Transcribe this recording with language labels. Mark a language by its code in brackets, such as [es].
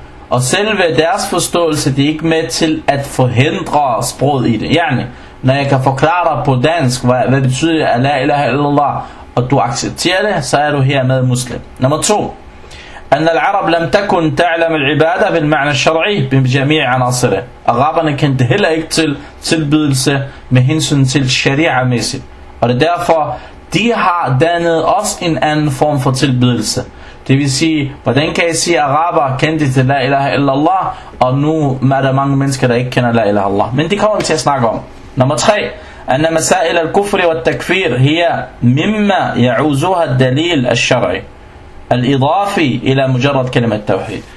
[da] Og selve deres forståelse, det er ikke med til at forhindre sproget i det. يعني, når jeg kan forklare dig på dansk, hvad betyder det, at la ilaha illallah, og du accepterer det, så er du her med muslim. Nummer 2. [ar] أن العرب لم تكن تعلم العبادة بالمعنى الشرعي بجميع عناصره. [da] Araberne kendte heller ikke til tilbydelse med hensyn til sharia-mæssigt. Og det er derfor, de har dannet også en anden form for tilbydelse. Det vil sige, hvordan kan jeg sige, at araber kendte til la ilaha illallah, og nu er der mange mennesker, der ikke kender la ilaha illallah. Men det kommer vi til at snakke om. Nummer 3. [ar] أن مسائل الكفر والتكفير هي مما يعوزها الدليل الشرعي الإضافي إلى مجرد كلمة التوحيد.